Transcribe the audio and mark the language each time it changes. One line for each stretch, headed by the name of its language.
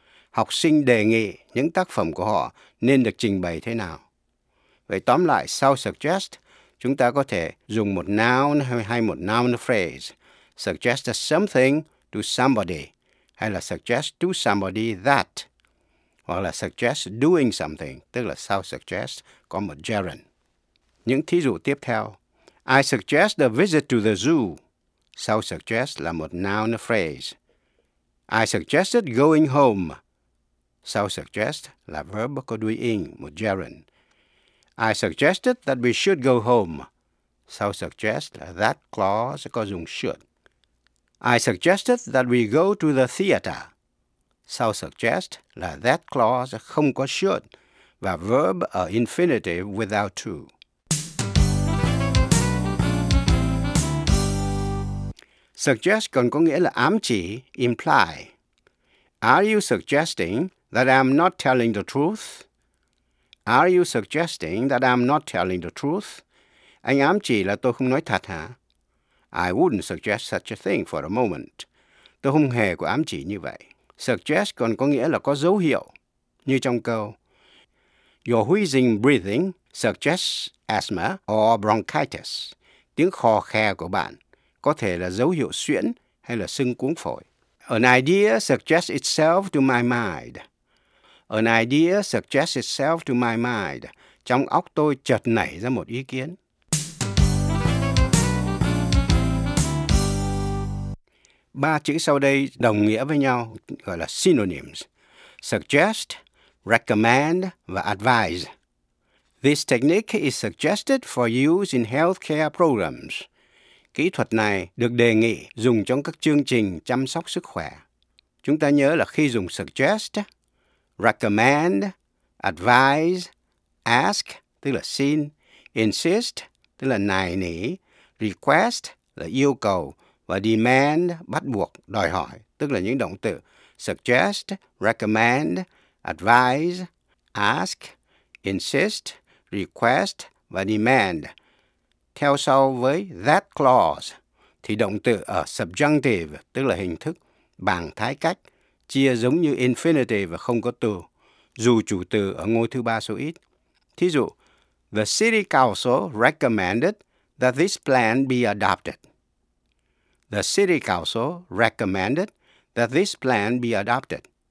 Vietnamese: Học sinh đề nghị những tác phẩm của họ nên được trình bày thế nào. Vậy tóm lại, sau suggest, chúng ta có thể dùng một noun hay một noun phrase.
English: Suggest something to somebody.
Vietnamese: Hay là
English: suggest to somebody that.
Vietnamese: Hoặc là suggest doing something. Tức là sau suggest có một gerund. Những thí dụ tiếp theo.
English: I suggest a visit to the zoo.
Vietnamese: Sau suggest là một noun phrase.
English: I suggested going home.
Vietnamese: Sau suggest là verb có đuôi ing, một gerund.
English: I suggested that we should go home.
Vietnamese: Sau suggest là that clause có dùng should.
English: I suggested that we go to the theater.
Vietnamese: Sau suggest là that clause không có should và verb ở infinitive without to. Suggest còn có nghĩa là ám chỉ, imply.
English: Are you suggesting that I'm not telling the truth? Are you suggesting that I'm not telling the truth?
Vietnamese: Anh ám chỉ là tôi không nói thật hả?
English: I wouldn't suggest such a thing for a moment.
Vietnamese: Tôi không hề có ám chỉ như vậy. Suggest còn có nghĩa là có dấu hiệu, như trong câu.
English: Your wheezing breathing suggests asthma or bronchitis.
Vietnamese: Tiếng khò khè của bạn có thể là dấu hiệu suyễn hay là sưng cuống phổi.
English: An idea suggests itself to my mind. An idea suggests itself to my mind.
Vietnamese: Trong óc tôi chợt nảy ra một ý kiến. Ba chữ sau đây đồng nghĩa với nhau, gọi là synonyms. Suggest, recommend và advise. This technique is suggested for use in healthcare programs. Kỹ thuật này được đề nghị dùng trong các chương trình chăm sóc sức khỏe. Chúng ta nhớ là khi dùng suggest, recommend, advise, ask, tức là xin, insist, tức là nài nỉ, request, là yêu cầu, và demand, bắt buộc, đòi hỏi, tức là những động từ suggest, recommend, advise, ask, insist, request và demand. Theo sau với that clause, thì động từ ở subjunctive, tức là hình thức bằng thái cách, chia giống như infinitive và không có từ, dù chủ từ ở ngôi thứ ba số ít. Thí dụ,
English: the city council recommended that this plan be adopted. The city council recommended that this plan be adopted.